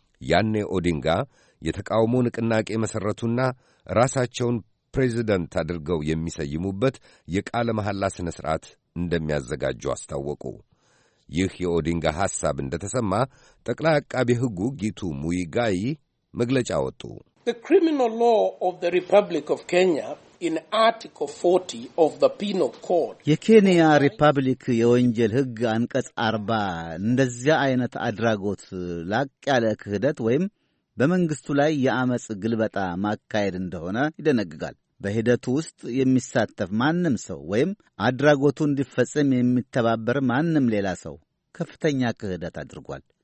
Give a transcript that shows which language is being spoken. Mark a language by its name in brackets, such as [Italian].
[Amharic] ያኔ ኦዲንጋ የተቃውሞ ንቅናቄ መሠረቱና ራሳቸውን ፕሬዚደንት አድርገው የሚሰይሙበት የቃለ መሐላ ሥነ ሥርዓት እንደሚያዘጋጁ አስታወቁ። ይህ የኦዲንጋ ሐሳብ እንደ ተሰማ ጠቅላይ አቃቢ ሕጉ ጊቱ ሙይጋይ መግለጫ ወጡ። [English] The criminal law of the Republic of Kenya in Article 40 of the Penal Code. [Amharic] የኬንያ ሪፐብሊክ የወንጀል ሕግ አንቀጽ 40 እንደዚያ አይነት አድራጎት ላቅ ያለ ክህደት ወይም በመንግስቱ ላይ የአመጽ ግልበጣ ማካሄድ እንደሆነ ይደነግጋል። በሂደቱ ውስጥ የሚሳተፍ ማንም ሰው ወይም አድራጎቱ እንዲፈጸም የሚተባበር ማንም ሌላ ሰው ከፍተኛ ክህደት አድርጓል።